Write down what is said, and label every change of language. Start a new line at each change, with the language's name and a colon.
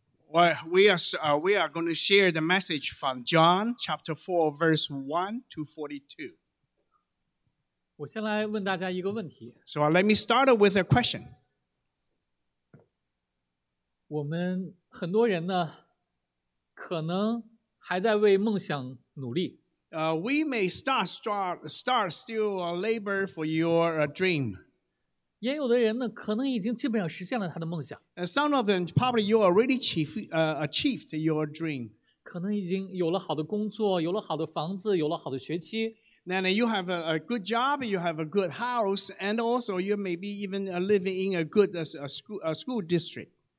English: Well, we are going to share the message from John chapter 4, verse 1 to 42.
Chinese: 我先来问大家一个问题。
English: So let me start with a question.
Chinese: 我们很多人呢，可能还在为梦想努力。
English: We may start still labor for your dream.
Chinese: 也有的人呢，可能已经基本上实现了他的梦想。
English: Some of them probably you already achieved your dream.
Chinese: 可能已经有了好的工作，有了好的房子，有了好的学区。
English: Then you have a good job, you have a good house, and also you may be even living in a good school district.